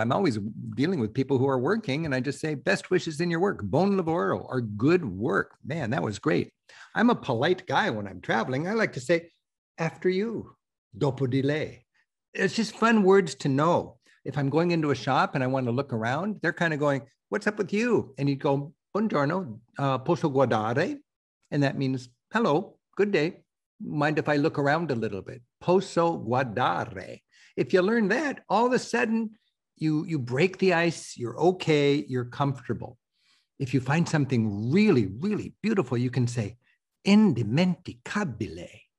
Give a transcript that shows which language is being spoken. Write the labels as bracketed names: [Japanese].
[English] I'm always dealing with people who are working and I just say best wishes in your work. [Italian] Buon lavoro, [English] or good work. Man, that was great. I'm a polite guy when I'm traveling. I like to say after you, [Italian] dopo di lei. [English] It's just fun words to know. If I'm going into a shop and I want to look around, they're kind of going, what's up with you? And you'd go, [Italian] buongiorno, posso guardare? [English] And that means, hello, good day. Mind if I look around a little bit? [Italian] Posso guardare. [English] If you learn that, all of a sudden, you break the ice, you're okay, you're comfortable. If you find something really, really beautiful, you can say, indimenticabile.